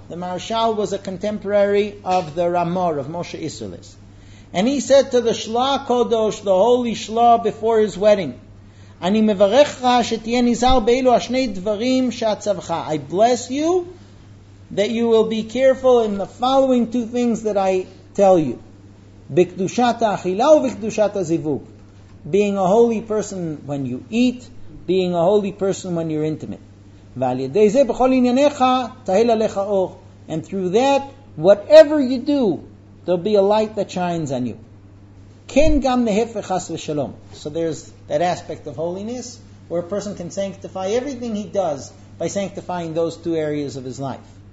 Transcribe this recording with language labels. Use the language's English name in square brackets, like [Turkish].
[English] The Marshal was a contemporary of the Ramor, of Moshe Isserles. And he said to the Shla Kodosh, the holy Shla, before his wedding, [Hebrew] אני מברך לך שתהיה ניזהר באילו השני דברים שעצבך. [English] I bless you that you will be careful in the following two things that I tell you. [Hebrew] בקדושת האכילה ובקדושת הזיווג. [English] Being a holy person when you eat, being a holy person when you're intimate. [Hebrew] ועל ידי זה בכל ענייניך תהל עליך אור. [English] And through that, whatever you do, there'll be a light that shines on you. [Hebrew] כן גם להפך חס ושלום. [English] So there's that aspect of holiness, where a person can sanctify everything he does by sanctifying those two areas of his life.